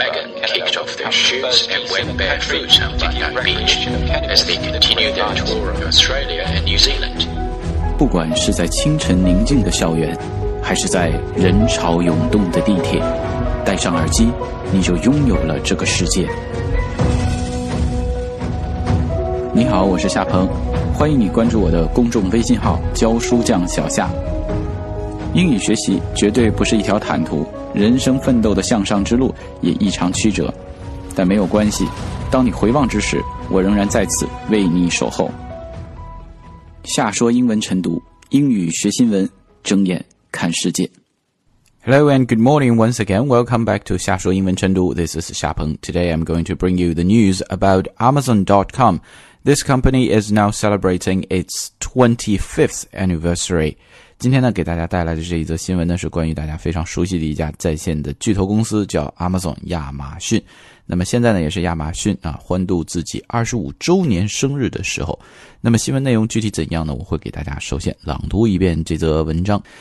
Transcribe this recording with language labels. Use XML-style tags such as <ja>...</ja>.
<en>Meghan kicked off their shoots and went barefoot on Bondi Beach as they continued their tour of Australia and New Zealand.</en> <zh>不管是在清晨宁静的校园，还是在人潮涌动的地铁，戴上耳机，你就拥有了这个世界。你好，我是夏鹏，欢迎你关注我的公众微信号教书匠小夏。英语学习绝对不是一条坦途，人生奋斗的向上之路也异常曲折，但没有关系，当你回望之时，我仍然在此为你守候。夏说英文晨读，英语学新闻，睁眼看世界。</zh> <en>Hello and good morning once again. Welcome back to 夏说英文晨读。This is 夏鹏. Today I'm going to bring you the news about Amazon.com. This company is now celebrating its 25th anniversary.</en> <zh>今天呢，给大家带来的这一则新闻呢，是关于大家非常熟悉的一家在线的巨头公司，叫 Amazon 亚马逊。那么现在呢，也是亚马逊啊欢度自己25周年生日的时候。那么新闻内容具体怎样呢，我会给大家首先朗读一遍这则文章。</zh>